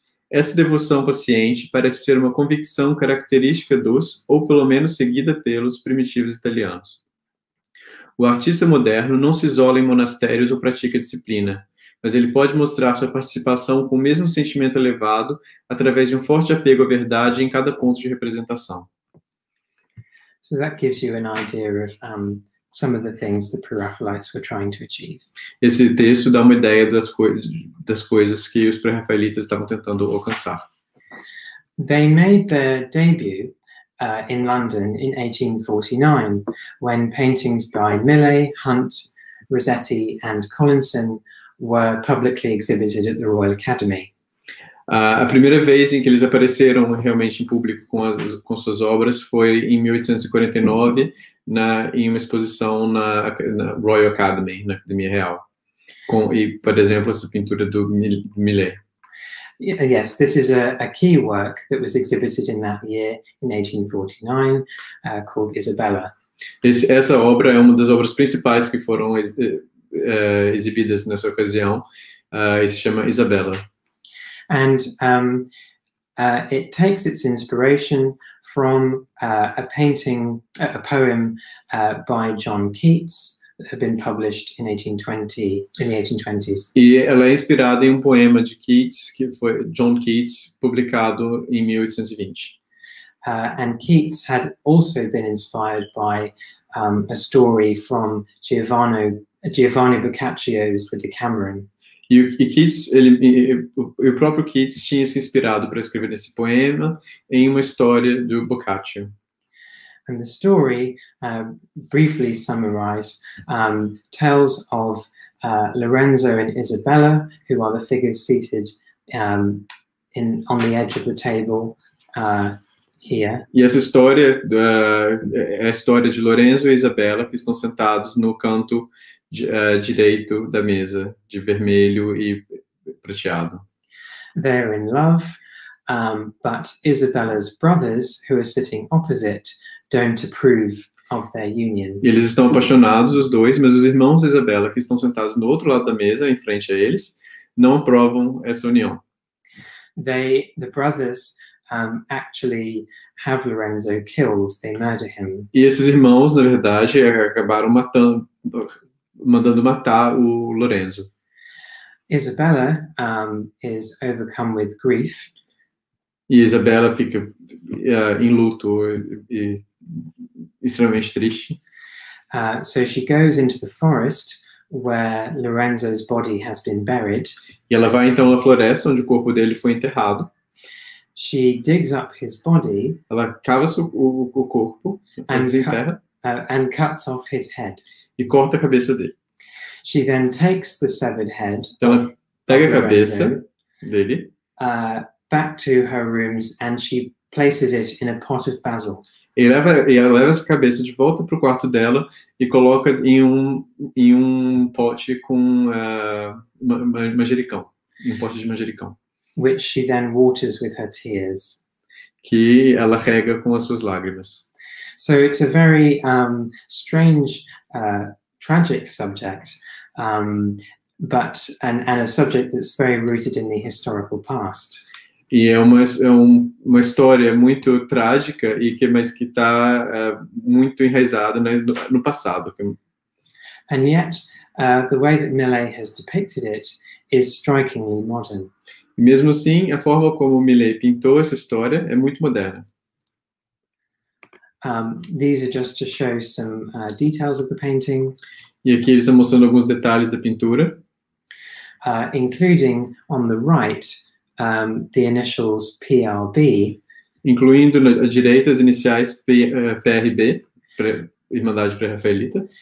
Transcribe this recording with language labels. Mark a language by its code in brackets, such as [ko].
[pt] Essa devoção paciente parece ser uma convicção característica dos, ou pelo menos seguida pelos, primitivos italianos. O artista moderno não se isola em monastérios ou pratica disciplina, mas ele pode mostrar sua participação com o mesmo sentimento elevado através de um forte apego à verdade em cada ponto de representação. [en] So that gives you an idea of some of the things the Pre-Raphaelites were trying to achieve. [pt] Esse texto dá uma ideia das coisas que os Pre-Raphaelitas estavam tentando alcançar. [en] They made their debut in London in 1849, when paintings by Millais, Hunt, Rossetti and Collinson were publicly exhibited at the Royal Academy. [pt] A primeira vez em que eles apareceram realmente em público com suas obras foi em 1849, em uma exposição na Royal Academy, na Academia Real. E, por exemplo, essa pintura do Millais. [en] Yes, this is a key work that was exhibited in that year, in 1849, called Isabella. [pt] Essa obra é uma das obras principais que foram exibidas nessa ocasião, e se chama Isabella. [en] And it takes its inspiration from a poem by John Keats that had been published in 1820s. [pt] E ela é inspirada em um poema de Keats que foi John Keats publicado em 1820. [en] And Keats had also been inspired by a story from Giovanni Boccaccio's The Decameron. [pt] E o próprio Keats tinha se inspirado para escrever esse poema em uma história do Boccaccio. [en] And the story, briefly summarized, tells of Lorenzo and Isabella, who are the figures seated on the edge of the table here. [pt] E essa história é a história de Lorenzo e Isabella, que estão sentados no canto direito da mesa, de vermelho e prateado. [en] They're in love, but Isabella's brothers, who are sitting opposite, don't approve of their union. [pt] E eles estão apaixonados, os dois, mas os irmãos de Isabella, que estão sentados no outro lado da mesa, em frente a eles, não aprovam essa união. [en] The brothers actually have Lorenzo killed. They murder him. [pt] E esses irmãos, na verdade, acabaram mandando matar o Lorenzo. [en] Isabella is overcome with grief. [pt] E Isabella fica em luto e extremamente triste. [en] So she goes into the forest where Lorenzo's body has been buried. [pt] E ela vai então à floresta onde o corpo dele foi enterrado. [en] She digs up his body. [pt] Ela cava o corpo [en] and [pt] desenterra. [en] And cuts off his head. [pt] E corta a cabeça dele. [en] She then takes the severed head. [pt] Então, ela pega a cabeça dele. [en] Back to her rooms and she places it in a pot of basil. [pt] E ela leva essa cabeça de volta pro quarto dela e coloca em um pote com manjericão, um pote de manjericão. [en] Which she then waters with her tears. [pt] Que ela rega com as suas lágrimas. [en] So it's a very strange, tragic subject, but a subject that's very rooted in the historical past. [pt] E é uma história muito trágica e que está muito enraizada no passado. [en] And yet, the way that Millais has depicted it is strikingly modern. [pt] Mesmo assim, a forma como Millet pintou essa história é muito moderna. [en] These are just to show some details of the painting. [pt] E aqui eles estão mostrando alguns detalhes da pintura. [en] Including on the right, the initials PRB. [pt] Incluindo na direita as iniciais PRB, Irmandade Pre-Raphaelita.